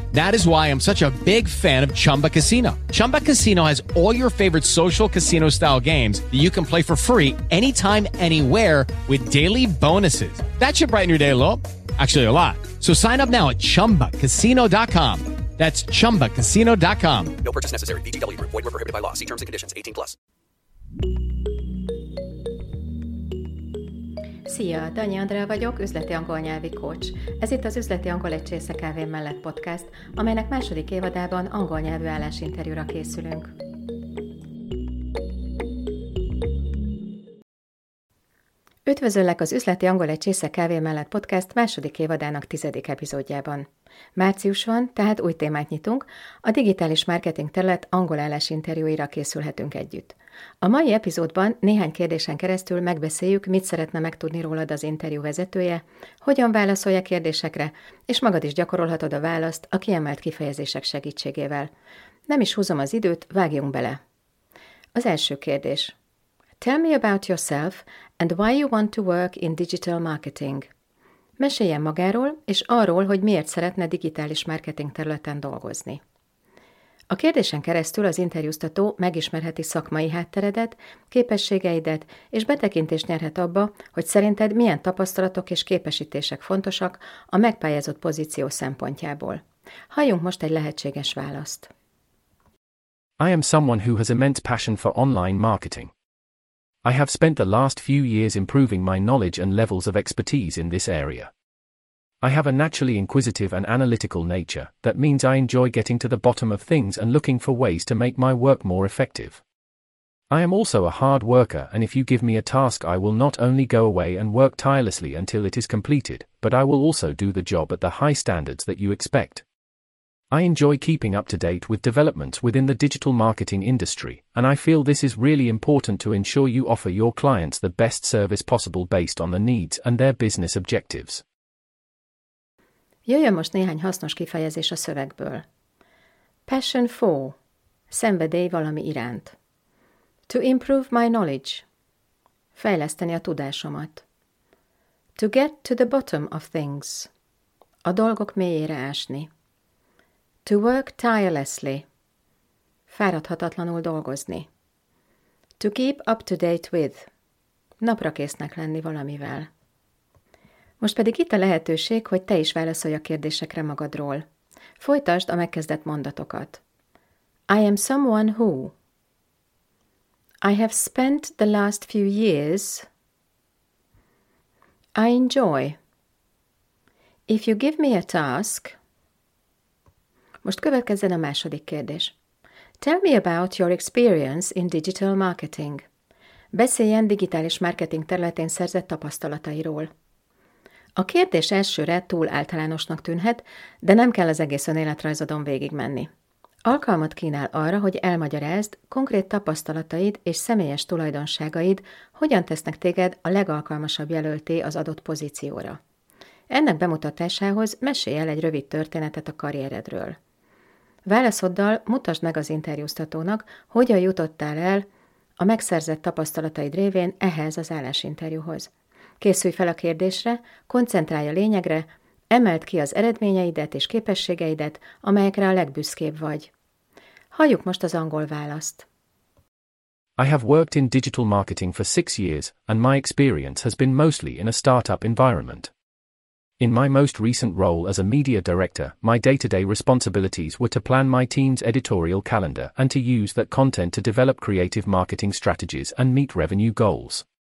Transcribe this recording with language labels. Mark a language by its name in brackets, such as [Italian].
[English] That is why I'm such a big fan of Chumba Casino. Chumba Casino has all your favorite social casino-style games that you can play for free anytime, anywhere with daily bonuses. That should brighten your day a little. Actually, a lot. So sign up now at ChumbaCasino.com. That's ChumbaCasino.com. No purchase necessary. VGW Group. Void where prohibited by law. See terms and conditions. 18 plus. [Hungarian] Szia, Tanya Andrea vagyok, üzleti angol nyelvi coach. Ez itt az Üzleti Angol egy csésze kávé mellett podcast, amelynek második évadában angol nyelvű állásinterjúra készülünk. Üdvözöllek az Üzleti Angol egy csésze kávé mellett podcast második évadának 10. epizódjában. Március van, tehát új témát nyitunk, a digitális marketing terület angol állásinterjúira készülhetünk együtt. A mai epizódban néhány kérdésen keresztül megbeszéljük, mit szeretne megtudni rólad az interjú vezetője, hogyan válaszolja kérdésekre, és magad is gyakorolhatod a választ a kiemelt kifejezések segítségével. Nem is húzom az időt, vágjunk bele! Az első kérdés. [English] Tell me about yourself and why you want to work in digital marketing. [Hungarian] Meséljen magáról és arról, hogy miért szeretne digitális marketing területen dolgozni. A kérdésen keresztül az interjúztató megismerheti szakmai hátteredet, képességeidet és betekintést nyerhet abba, hogy szerinted milyen tapasztalatok és képesítések fontosak a megpályázott pozíció szempontjából. Halljunk most egy lehetséges választ. [English] I am someone who has immense passion for online marketing. I have spent the last few years improving my knowledge and levels of expertise in this area. I have a naturally inquisitive and analytical nature, that means I enjoy getting to the bottom of things and looking for ways to make my work more effective. I am also a hard worker, and if you give me a task, I will not only go away and work tirelessly until it is completed, but I will also do the job at the high standards that you expect. I enjoy keeping up to date with developments within the digital marketing industry, and I feel this is really important to ensure you offer your clients the best service possible based on the needs and their business objectives. [Hungarian] Jöjjön most néhány hasznos kifejezés a szövegből. [English] Passion for, [Hungarian] szenvedély valami iránt. [English] To improve my knowledge, [Hungarian] fejleszteni a tudásomat. [English] To get to the bottom of things, [Hungarian] a dolgok mélyére ásni. [English] To work tirelessly. [Hungarian] Fáradhatatlanul dolgozni. [English] To keep up to date with. [Hungarian] Naprakésznek lenni valamivel. Most pedig itt a lehetőség, hogy te is válaszolj a kérdésekre magadról. Folytasd a megkezdett mondatokat. [English] I am someone who. I have spent the last few years. I enjoy. If you give me a task. [Hungarian] Most következzen a második kérdés. [English] Tell me about your experience in digital marketing. [Hungarian] Beszéljen digitális marketing területén szerzett tapasztalatairól. A kérdés elsőre túl általánosnak tűnhet, de nem kell az egész önéletrajzodon végigmenni. Alkalmat kínál arra, hogy elmagyarázd, konkrét tapasztalataid és személyes tulajdonságaid hogyan tesznek téged a legalkalmasabb jelölté az adott pozícióra. Ennek bemutatásához mesélj el egy rövid történetet a karrieredről. Válaszoddal mutasd meg az interjúztatónak, hogyan jutottál el a megszerzett tapasztalataid révén ehhez az állásinterjúhoz. Készülj fel a kérdésre, koncentrálj a lényegre, emeld ki az eredményeidet és képességeidet, amelyekre a legbüszkébb vagy. Halljuk most az angol választ. [English] I have worked in digital marketing for 6 years, and my experience has been mostly in a startup environment. In my most recent role as a media director, my day-to-day responsibilities were to plan my team's editorial calendar and to use that content to develop creative marketing strategies and meet revenue goals.